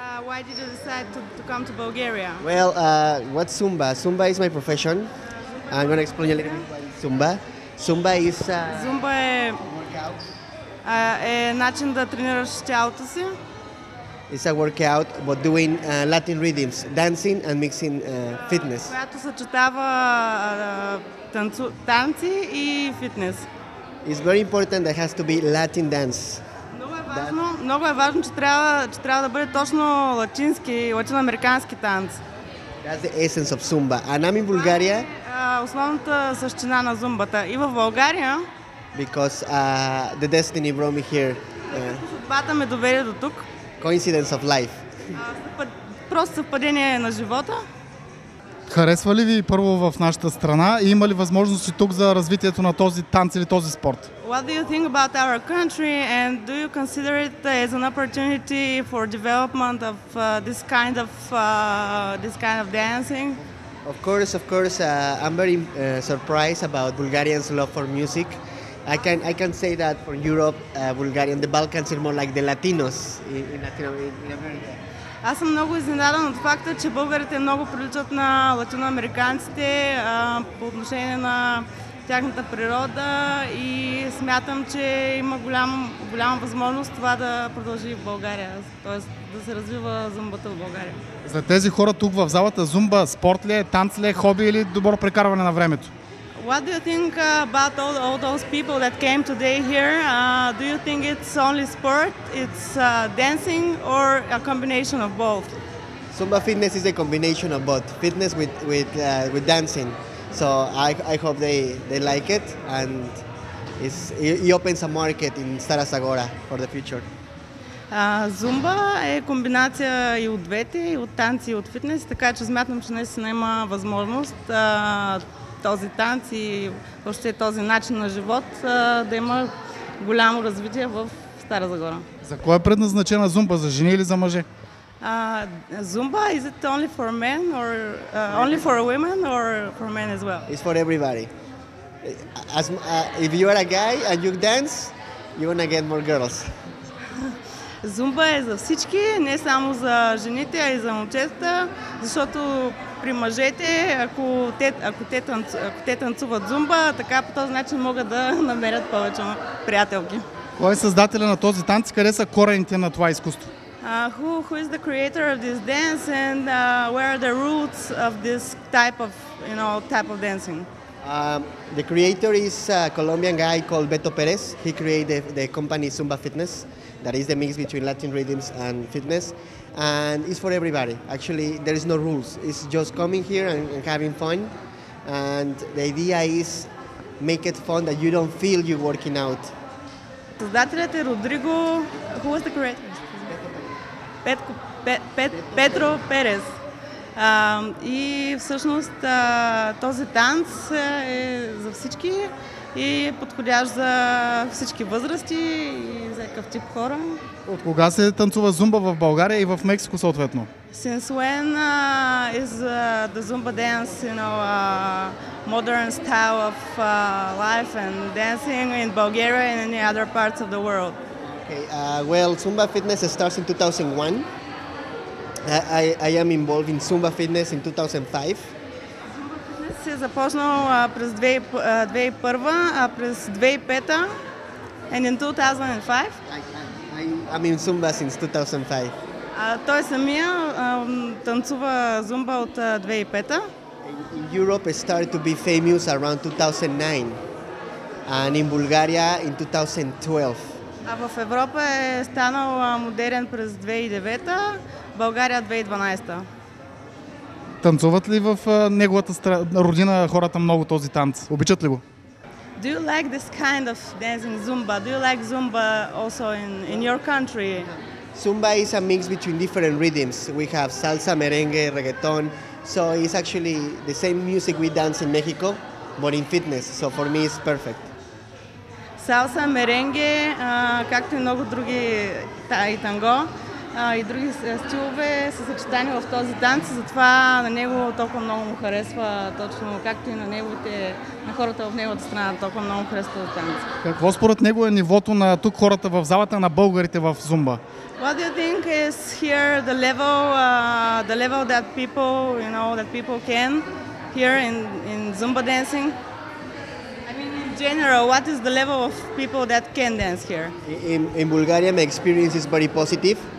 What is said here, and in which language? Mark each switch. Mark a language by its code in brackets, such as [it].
[en] Why did you decide to come to Bulgaria? Well, what's Zumba? Zumba is my profession. I'm going to explain a little bit about Zumba. Zumba is... [bg] Zumba е... е начин да тренираш тялото си. [en] It's a workout, but doing Latin rhythms, dancing and mixing fitness. [bg] Която съчетава танци и фитнес. [en] It's very important that it has to be Latin dance. [bg] Много е важно, че трябва, че трябва да бъде точно латински, латиноамерикански танц. [en] That's the essence of Zumba. And I'm in Bulgaria. [bg] Основната същина на зумбата. И в България. [en] Because the destiny brought me here. [bg] Съдбата ме доведе до тук. [en] Coincidence of life. [bg] Просто съвпадение на живота. Харесва ли ви първо в нашата страна и има ли възможности тук за развитието на този танц или този спорт? [en] What do you think about our country and do you consider it as an opportunity for development of this kind of dancing? Of course, I'm very surprised about Bulgarians' love for music. I can say that for Europe, Bulgarian, the Balkans are more like the Latinos in Latino-America. [bg] Аз съм много изненадан от факта, че българите много приличат на латиноамериканците по отношение на тяхната природа и смятам, че има голяма възможност това да продължи в България, т.е. да се развива зумбата в България. За тези хора тук в залата, зумба спорт ли е, танц ли е, хобби или добро прекарване на времето? [en] What do you think about all those people that came today here? Do you think it's only sport, it's dancing or a combination of both? Zumba fitness is a combination of both, fitness with dancing. So I hope they like it and it opens a market in Stara Zagora for the future. [bg] Зумба е комбинация и от двете, и от танци, и от фитнес, така че смятам, че наистина има възможност този танц и въобще този начин на живот да има голямо развитие в Стара Загора. За кое е предназначена зумба? За жени или за мъже? [en] Зумба, is it only for men or only for women or for men as well? It's for everybody. As, if you are a guy and you dance, you wanna get more girls. [bg] Зумба е за всички, не само за жените, а и за момчета, защото при мъжете, ако те танцуват зумба, така по този начин могат да намерят повече приятелки. Кой е създателя на този танц? Къде са корените на това изкуство? [en] Who is the creator of this dance and where are the roots of this type of, you know, type of dancing? The creator is a Colombian guy called Beto Perez. He created the company Zumba Fitness. That is the mix between Latin rhythms and fitness. And it's for everybody. Actually, there is no rules. It's just coming here and having fun. And the idea is make it fun that you don't feel you're working out. [bg] Създателят е Родриго... [en] Who was the creator? [bg] Петро Перес. И всъщност този танц е за всички и подходящ за всички възрасти и за какъв тип хора. От кога се танцува зумба в България и в Мексико съответно? [en] Since when is the Zumba dance, you know, a modern style of life and dancing in Bulgaria and in the other parts of the world? Okay, well, Zumba fitness starts in 2001. I am involved in Zumba fitness in 2005. [bg] Се започнал през 2001, а през 2005 [en] and in 2005. I'm in Zumba since 2005. [bg] Той самия танцува зумба от 2005. [en] In Europe started to be famous around 2009 and in Bulgaria in 2012. [bg] А в Европа е станал модерен през 2009, България 2012. Танцуват ли в неговата родина хората много този танц? Обичат ли го? [en] Do you like this kind of dancing, Zumba? Do you like Zumba also in your country? Zumba is a mix between different rhythms. We have salsa, merengue, reggaeton. So it's actually the same music we dance in Mexico, but in fitness. So for me it's perfect. [bg] Salsa, merengue, както и много други, и танго. и други стилове са съчетани в този танц, затова на него толкова много му харесва точно, както и на неговите, на хората в неговата страна, толкова много харесва този танц. Какво според него е нивото на тук хората в залата, на българите в зумба? [en] What do you think is here the level that people, you know, that people can here in zumba dancing? General, what is the level of people that can dance here? In Bulgaria, my experience is very positive.